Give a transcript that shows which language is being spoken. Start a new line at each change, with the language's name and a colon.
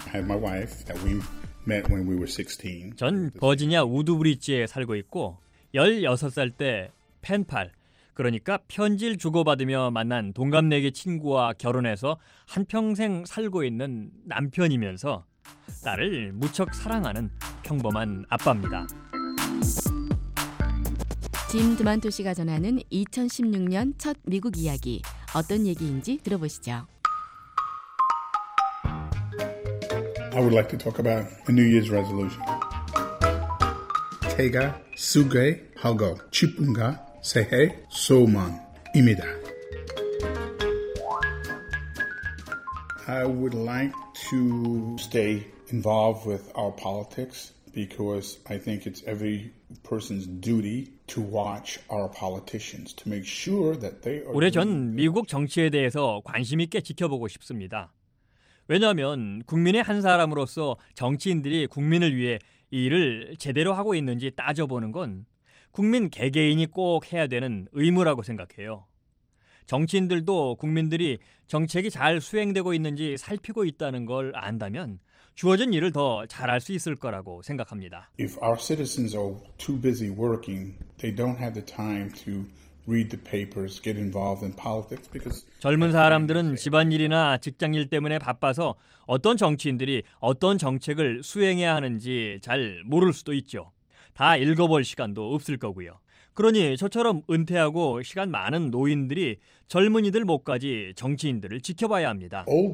English: I have my wife that we met when we were 16.
Korean: 전 버지니아 우드브리지에 살고 있고 16살 때 펜팔, 그러니까 편지를 주고받으며 만난 동갑내기 친구와 결혼해서 한평생 살고 있는 남편이면서 딸을 무척 사랑하는 평범한 아빠입니다. 짐 드만토 씨가 전하는 2016년 첫 미국 이야기, 어떤 얘기인지 들어보시죠.
English: I would like to talk about a New Year's resolution.
Korean: 제가 소개하고 싶은 게 새해 소망입니다.
English: I would like to stay involved with our politics because I think it's every person's duty to watch our politicians to make sure that they are
Korean: 올해 전 미국 정치에 대해서 관심 있게 지켜보고 싶습니다. 왜냐하면 국민의 한 사람으로서 정치인들이 국민을 위해 일을 제대로 하고 있는지 따져보는 건 국민 개개인이 꼭 해야 되는 의무라고 생각해요. 정치인들도 국민들이 정책이 잘 수행되고 있는지 살피고 있다는 걸 안다면 주어진 일을 더 잘할 수 있을 거라고 생각합니다.
English: If our citizens are too busy working, they don't have the time to read the papers, get involved in politics because
Korean: 젊은 사람들은 집안일이나 직장일 때문에 바빠서 어떤 정치인들이 어떤 정책을 수행해야 하는지 잘 모를 수도 있죠. 다 읽어볼 시간도 없을 거고요. 그러니 저처럼 은퇴하고 시간 많은 노인들이 젊은이들 몫까지 정치인들을 지켜봐야 합니다.